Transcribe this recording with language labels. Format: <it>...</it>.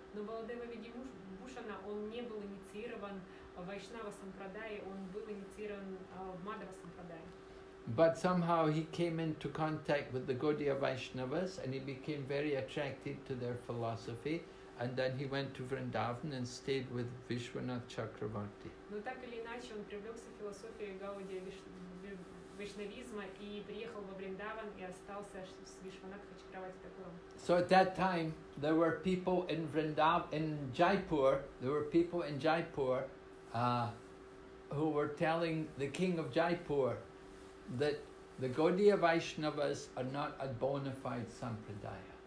<ru>Но Баладева Видьябушана, он не был инициирован в Вайшнава Сампрадайе, он был инициирован в Мадхва Сампрадайе.</ru> <en>But somehow he came into contact with the Gaudiya Vaishnavas and he became very attracted to their philosophy. And then he went to Vrindavan and stayed with Vishwanath Chakravarti.</en> <ru>Но так или иначе он привлекся к философии Гаудия Вишнавизма и приехал во Вриндаван и остался с Вишванатхой Чакраварти Такуром.</ru> <en>So at that time there were people in Vrindavan, in Jaipur, there were people in Jaipur who were telling the king of Jaipur that the Gaudiya Vaishnavas are not a bona fide sampradaya.</en>